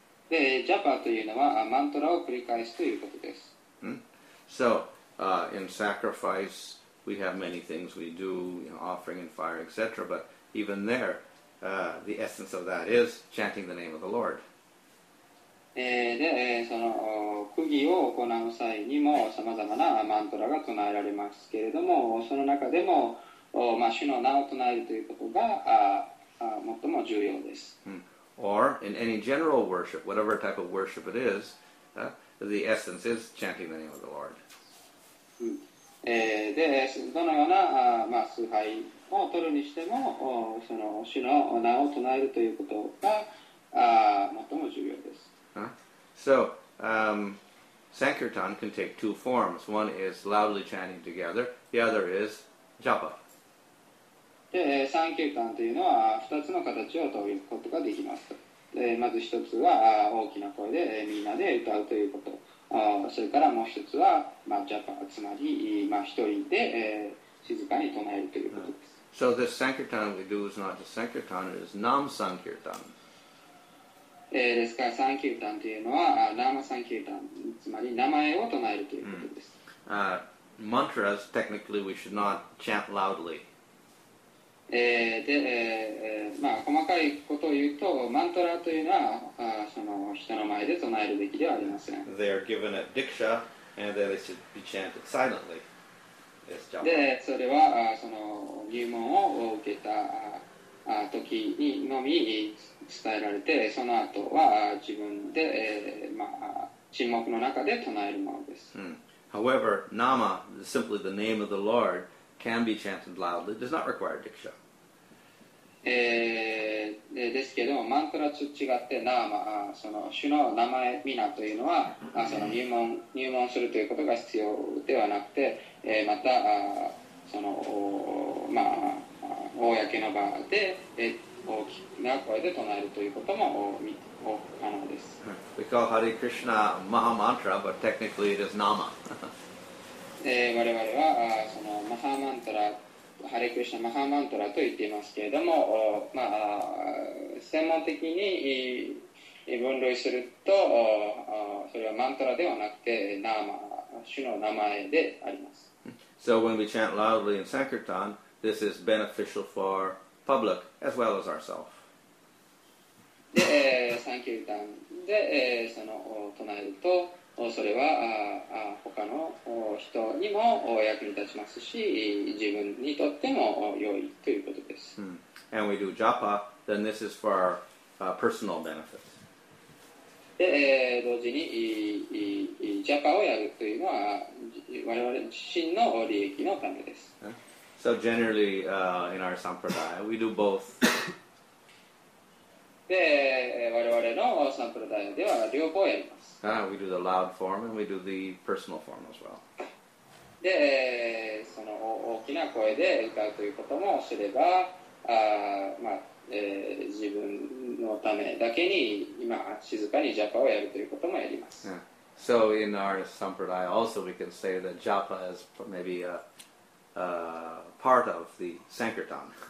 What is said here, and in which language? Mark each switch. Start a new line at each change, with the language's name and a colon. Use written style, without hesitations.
Japanese: で、japa というのは、mantra を繰り返すということです。
English: So, in sacrifice, we have many things we do, you know, offering and fire, etc. But even there, the essence of that is chanting the name of the Lord.
Japanese: で、その、釘を行う際にも、さまざまな mantra が唱えられますけれども、その中でも、まあ、主の名を唱えるということが最も重要です。
English: Or in any general worship, whatever type of worship it is, the essence is chanting the name of the Lord.
Japanese: で、どのような、まあ、崇拝を取るにしても、その主の名を唱えるということが最も重要です。
English: So, Sankirtan can take two forms. One is loudly chanting together, the other is japa.
Japanese: で、サンキュータンというのは2つの形を取ることができます。で、まず1つは大きな声でみんなで歌うということ、それからもう1つは、まあ、ジャパ、つまり、まあ、1人で、静かに唱えるということです。
English: So this Sankirtan we do is not just Sankirtan, it is Nam Sankirtan.
Japanese: ですからサンキュータンというのはナマサンキュータン、つまり名前を唱えるということです。
English: Mantras, technically we should not chant loudly.
Japanese: で、まあ、細かいことを言うと、マントラというのは、その人の前で唱えるべきではありません。
English: They are given a diksha, and then they should be chanted silently.
Japanese: で、それは、その入門を受けた時にのみ伝えられて、その後は自分で、まあ、沈黙の中で唱えるものです。
English: However, nama, simply the name of the Lord,can be chanted loudly, does not require diksha.
Japanese: ですけども、マントラと違って、ナーマ、その主の名前、ミナというのは、その入門するということが必要ではなくて、また、その、まあ、公の場で、大きな声で唱えるということも可能です。
English: We call Hare Krishna Maha Mantra, but technically it is Nama.
Japanese: 我々はそのマハマントラ、ハレクリシナマハマントラと言っていますけれども、まあ、専門的に分類すると、それはマントラではなくて、主の名前であります。
English: So when we chant loudly in Sankirtan, this is beneficial for public as well as ourselves.
Japanese: で、サンキュータンで、その唱えると、それは他の人にも役に立ちますし、自分にとっても良いということです。
English: And we do japa, then this is for our personal benefit.
Japanese: で、同時にjapa をやるというのは我々自身の利益のためです。
English: So generally, in our sampradaya, we do both.
Japanese: で、我々のサンプラダイでは両方やります。
English: We do the loud form and we do the personal form as well.
Japanese: で、その大きな声で歌うということもすれば、まあ、自分のためだけに今静かにジャパをやるということもやります。
English: Yeah. So in our sampradaya also we can say that japa is maybe a part of the sankirtan.